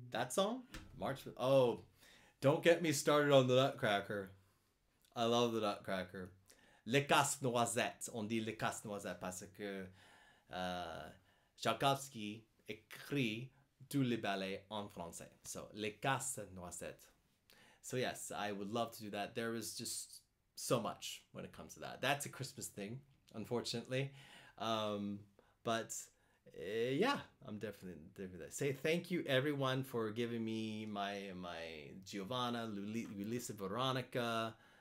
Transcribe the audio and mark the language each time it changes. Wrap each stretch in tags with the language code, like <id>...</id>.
<en>song? March. Oh, don't get me started on the Nutcracker. I love the Nutcracker.</en> <fr>Les casse-noisettes. On dit les casse-noisettes parce que Tchaïkovski écrit tous les ballets en français. So, les casse-noisettes.</fr> <en>So, yes, I would love to do that. There is just so much when it comes to that. That's a Christmas thing, unfortunately. But yeah, I'm definitely there. Say thank you, everyone, for giving me my Giovanna, Lulisa, Veronica.</en>